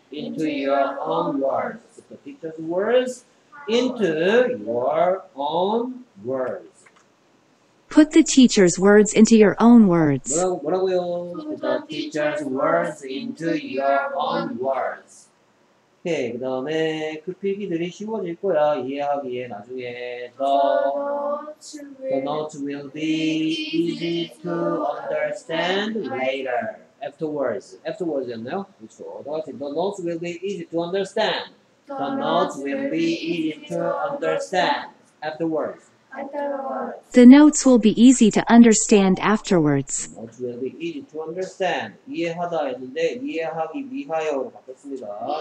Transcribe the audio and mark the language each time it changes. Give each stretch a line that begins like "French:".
English: Into your own words. Put the teacher's words into your own words. Put the teacher's words into your own words.
Korean: 뭐라고요?
English: Put the teacher's words into your own words.
Korean: 오케이, 그 다음에 그 필기들이 쉬워질 거야. 이해하기에 나중에
English: The notes will be easy to understand later. Afterwards, you know? The notes will be easy to understand. The notes will be easy to understand. Afterwards. The notes will be easy to understand afterwards. The notes will be easy to understand.
Korean: 이해하다 했는데, 이해하기 위하여로 바뀌었습니다.